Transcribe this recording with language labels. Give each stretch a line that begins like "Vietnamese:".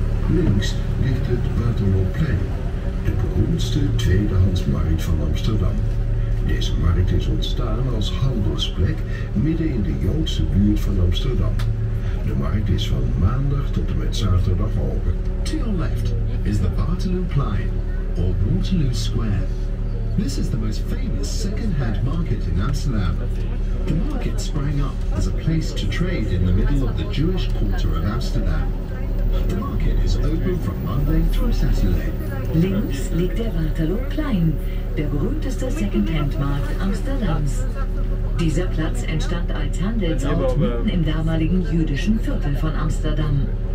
Dutch: Links ligt het Waterlooplein, de beroemdste tweedehandsmarkt van Amsterdam. Deze markt is ontstaan als handelsplek midden in de Joodse buurt van Amsterdam. De markt is van maandag tot en met zaterdag open.
English: To your left is the Waterlooplein, or Waterloo Square. This is the most famous second-hand market in Amsterdam. The market sprang up as a place to trade in the middle of the Jewish quarter of Amsterdam. The market is open from Monday through Saturday.
German: Links liegt der Waterlooplein, der berühmteste Second-Hand-Markt Amsterdams. Dieser Platz entstand als Handelsort mitten im damaligen jüdischen Viertel von Amsterdam.